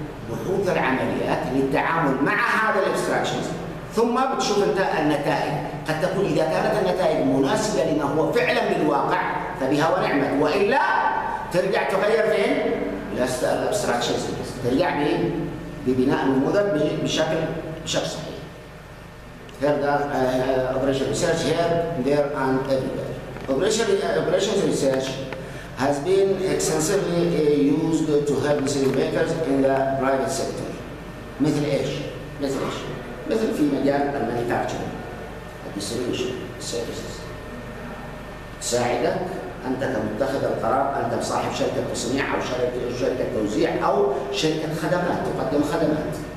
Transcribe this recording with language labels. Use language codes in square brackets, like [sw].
[ar] بحوث العمليات للتعامل مع هذا الابستراكشن ثم بتشوف انت النتائج قد تكون اذا كانت النتائج مناسبه لما هو فعلا بالواقع فبها ونعمت والا ترجع تغير فين؟ الابستراكشن ترجع ببناء النموذج بشكل صحيح. [en] Operation research here, there and everywhere. Operation research has been extensively used to help decision makers in the private sector. [ar] مثل ايش؟ مثل ايش؟ مثل في مجال المانيفاكتشرنج الديستريبيوشن سيرفيسز. تساعدك انت كمتخذ القرار انت صاحب شركه تصنيع او شركه توزيع او شركه خدمات تقدم خدمات.